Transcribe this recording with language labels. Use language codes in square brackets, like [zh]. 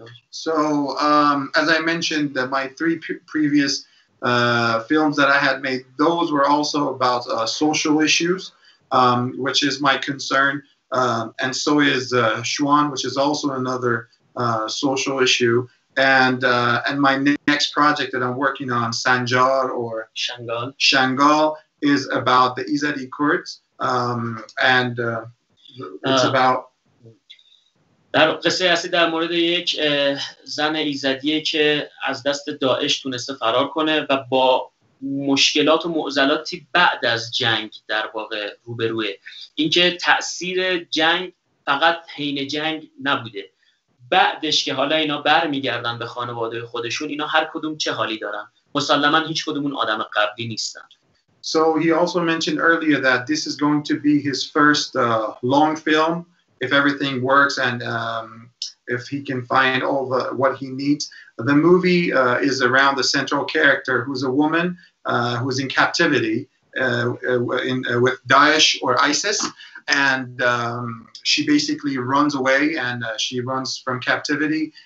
[en] So, as I mentioned, my three previous films that I had made, those were also about social issues, which is my concern, and so is Showan, which is also another social issue, and my next project that I'm working on, Sanjar or Shangal, is about the Izadi Kurds, and it's about [fa] در قصه اصلی در مورد یک زن ایزدیه که از دست داعش تونسته فرار کنه و با مشکلات و معضلاتی بعد از جنگ در واقع روبروه. اینکه تأثیر جنگ فقط حین جنگ نبوده، بعدش که حالا اینا بر میگردن به خانواده خودشون، اینا هر کدوم چه حالی دارن؟ مسلماً هیچ کدوم اون آدم قبلی نیستن. [en] So he also mentioned earlier that this is going to be his first long film if everything works and if he can find all the what he needs. The movie is around the central character, who's a woman who's in captivity with Daesh or ISIS, and she basically runs away and she runs from captivity.